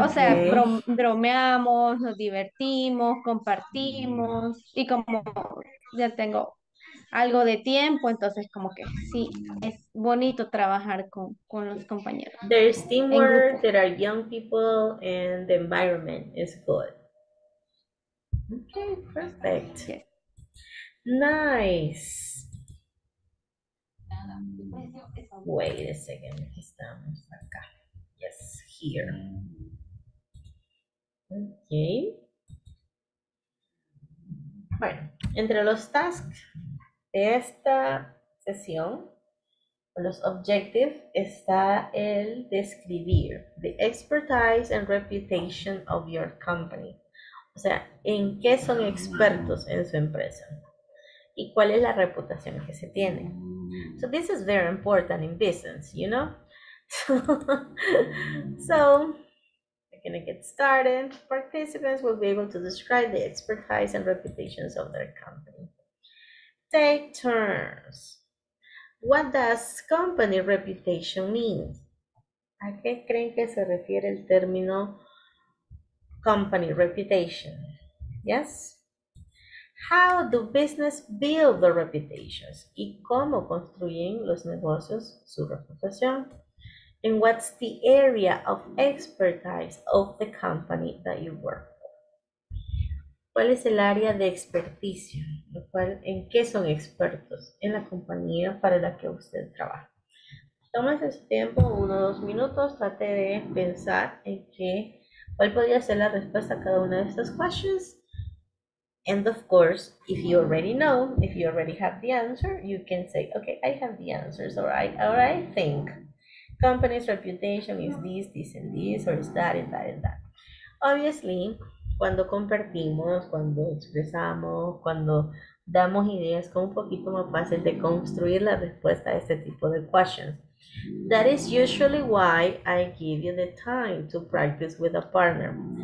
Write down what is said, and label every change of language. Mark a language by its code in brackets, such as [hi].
[es] O sea, bromeamos, nos divertimos, compartimos, y como ya tengo algo de tiempo, entonces como que sí, es bonito trabajar con los compañeros. [en] There's teamwork, there are young people, and the environment is good. Okay, perfect. Yes. Nice. Wait a second, [es] estamos acá. [en] Yes, here. Okay. [es] Bueno, entre los tasks de esta sesión, los objectives, está el describir [en] the expertise and reputation of your company. [es] O sea, ¿en qué son expertos en su empresa? ¿Y cuál es la reputación que se tiene? [en] So this is very important in business, you know? So, we're going to get started. Participants will be able to describe the expertise and reputations of their company. Take turns. What does company reputation mean? [es] ¿A qué creen que se refiere el término company reputation? [en] Yes? How do business build the reputations? [es] ¿Y cómo construyen los negocios su reputación? [en] And what's the area of expertise of the company that you work? [es] ¿Cuál es el área de experticia? Lo cual, ¿en qué son expertos en la compañía para la que usted trabaja? Tómese su tiempo, 1 o 2 minutos, trate de pensar en qué, cuál podría ser la respuesta a cada una de estas questions. [en] And of course, if you already know, if you already have the answer, you can say, okay, I have the answers, or I think company's reputation is this, this, and this, or is that, and that, and that. [es] Obviously, cuando compartimos, cuando expresamos, cuando damos ideas, como un poquito más fácil de construir la respuesta a este tipo de questions. [en] That is usually why I give you the time to practice with a partner.